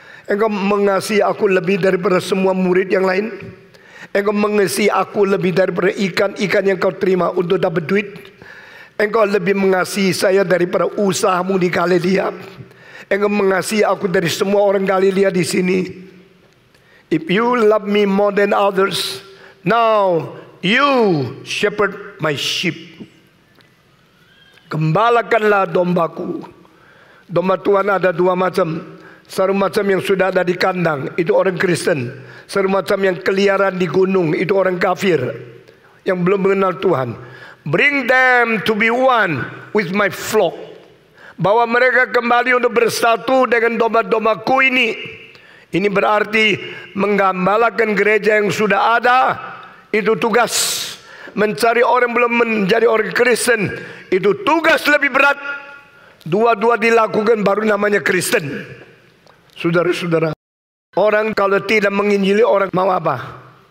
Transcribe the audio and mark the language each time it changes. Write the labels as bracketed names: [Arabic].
[Indonesian] Engkau mengasihi aku lebih daripada semua murid yang lain. Engkau mengasihi aku lebih daripada ikan-ikan yang kau terima untuk dapat duit. Engkau lebih mengasihi saya daripada usahamu di Galilea. Engkau mengasihi aku dari semua orang Galilea di sini. [English] If you love me more than others, now you shepherd my sheep. [Indonesian] Gembalakanlah dombaku. Domba Tuhan ada dua macam. Satu macam yang sudah ada di kandang, itu orang Kristen. Satu macam yang keliaran di gunung, itu orang kafir. Yang belum mengenal Tuhan. [English] Bring them to be one with my flock. [Indonesian] Bawa mereka kembali untuk bersatu dengan domba-dombaku ini. Ini berarti menggembalakan gereja yang sudah ada, itu tugas. Mencari orang belum menjadi orang Kristen, itu tugas lebih berat. Dua-dua dilakukan baru namanya Kristen. Saudara-saudara, orang kalau tidak menginjili orang mau apa?